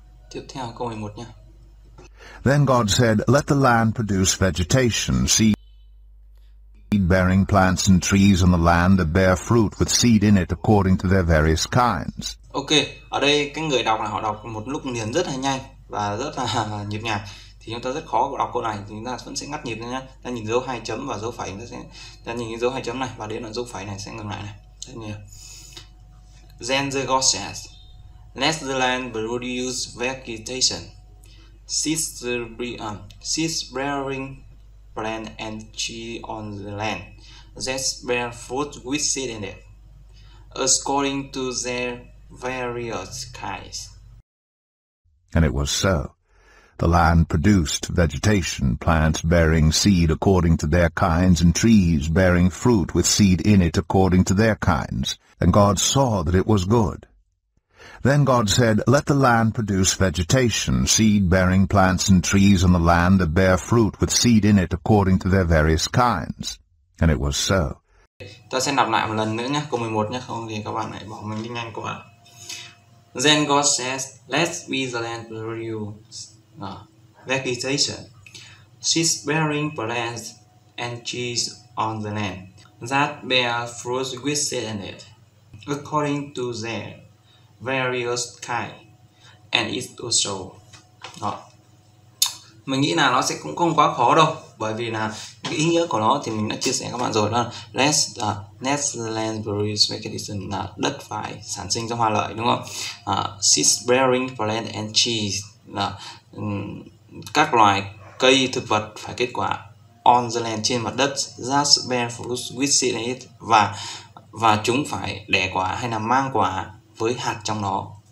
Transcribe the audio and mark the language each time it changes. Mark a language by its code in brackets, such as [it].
[vi] Tiếp theo câu 11 nha. [en] Then God said, let the land produce vegetation, seed-bearing plants and trees on the land that bear fruit with seed in it according to their various kinds. [vi] Ok, ở đây cái người đọc này họ đọc một lúc liền rất là nhanh và rất là nhịp nhàng. Thì chúng ta rất khó đọc câu này, chúng ta vẫn sẽ ngắt nhịp nha. Ta nhìn dấu hai chấm và dấu phẩy, chúng ta sẽ ta nhìn dấu hai chấm này và đến là dấu phẩy này sẽ ngừng lại này. Thế nhỉ? [en] Then the God says, let the land produce vegetation, seed-bearing plant and tree on the land that bear fruit with seed in it, according to their various kinds. And it was so. The land produced vegetation, plants bearing seed according to their kinds, and trees bearing fruit with seed in it according to their kinds. And God saw that it was good. Then God said, let the land produce vegetation, seed-bearing plants and trees on the land that bear fruit with seed in it according to their various kinds. And it was so. [vi] Ta sẽ đọc lại một lần nữa nhé, câu 11 nhé, không thì các bạn lại bỏ mình đi nhanh quá. [en] Then God says, let the land produce vegetation, seed-bearing plants and trees on the land that bear fruit with seed in it according to their various kind, and it also. [vi] Đó. Mình nghĩ là nó sẽ cũng không quá khó đâu, bởi vì là cái ý nghĩa của nó thì mình đã chia sẻ với các bạn rồi, đó là [en] let the land produce vegetation, [vi] là đất phải sản sinh ra hoa lợi, đúng không? [en] Seed bearing plant and cheese, [vi] là các loài cây thực vật phải kết quả on the land, trên mặt đất, [en] that bear fruit with seed in it, [vi] và chúng phải đẻ quả hay là mang quả với hạt trong nó.